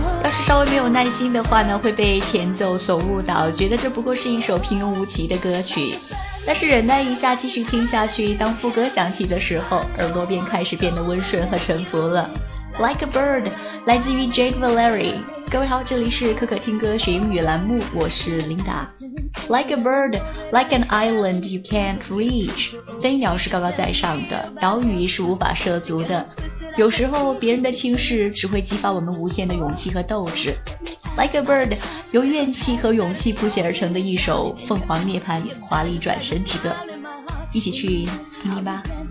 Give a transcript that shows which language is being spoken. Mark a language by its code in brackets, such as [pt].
[zh] 稍微没有耐心的话呢，会被前奏所误导，觉得这不过是一首平庸无奇的歌曲。但是忍耐一下，继续听下去，当副歌响起的时候，耳朵便开始变得温顺和沉浮了。 Like a Bird， 来自于 Jade Valeri。各位好，这里是可可听歌学英语栏目，我是琳达。 [en] Like a bird, like an island you can't reach. [zh] 飞鸟是高高在上的，岛屿是无法涉足的。有时候别人的轻视只会激发我们无限的勇气和斗志。 Like a bird, 由怨气和勇气谱写而成的一首凤凰涅槃华丽转身之歌。一起去听听吧。